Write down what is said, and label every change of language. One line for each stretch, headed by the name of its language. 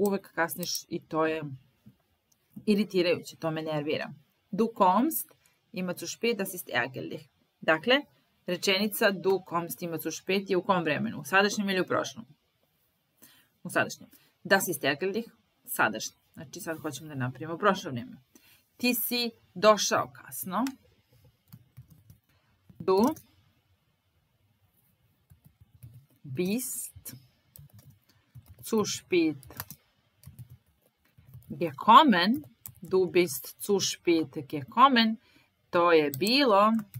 Serbian: Uvek kasniš i to je iritirajuće, to me nervira.
German: Du kommst immer zu spät, das ist ärgerlich.
Serbian: Dakle, rečenica
German: du kommst immer zu spät
Serbian: je u kom vremenu? U sadašnjem ili u prošlom? U sadašnjem.
German: Das ist ärgerlich, sadašnje.
Serbian: Znači, sad hoćemo da napravimo prošlo vreme. Ti si došao kasno.
German: Du bist zu spät gekommen. Du bist zu spät gekommen.
Serbian: To je bilo.